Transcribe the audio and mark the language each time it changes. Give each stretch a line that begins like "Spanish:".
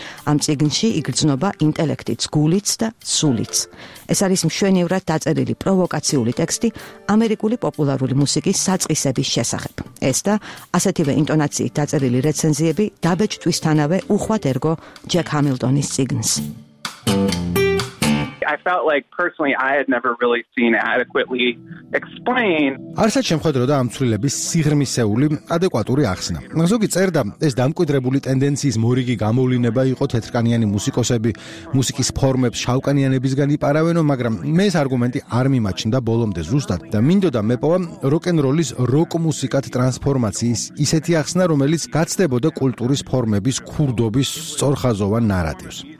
Georgian: ამ წიგნში იგრძნობა ინტელექტიც, გულიც და სულიც. ეს არის მშვენივრად დაწერილი პროვოკაციული ტექსტი ამერიკული პოპულარული მუსიკის საწყისების შესახებ. ეს და ასეთივე ინტონაციით დაწერილი რეცენზიები დაბეჭდვისთანავე უხვად ერგო ჯეკ ჰამილტონის წიგნს.
English: I felt like personally I had never really seen adequately explained.
Georgian: არსად შემხედრო და ამ ცვლილების სიღრმისეული ადეკვატური ახსნა. ზოგი წერდა, ეს დამკვიდრებული ტენდენციის მორიგი გამოვლინება იყო, თეთრკანიანი მუსიკოსები მუსიკის ფორმებს შავკანიანებისგან იპარავენო, მაგრამ მე ეს არგუმენტი არ მიმაჩნდა ბოლომდე ზუსტად და მინდოდა მეპოვა როკ-ენ-როლის როკ მუსიკათ ტრანსფორმაციის ისეთი ახსნა, რომელიც გაცდებოდა კულტურის ფორმების ქურდობის სწორხაზოვან ნარატივს.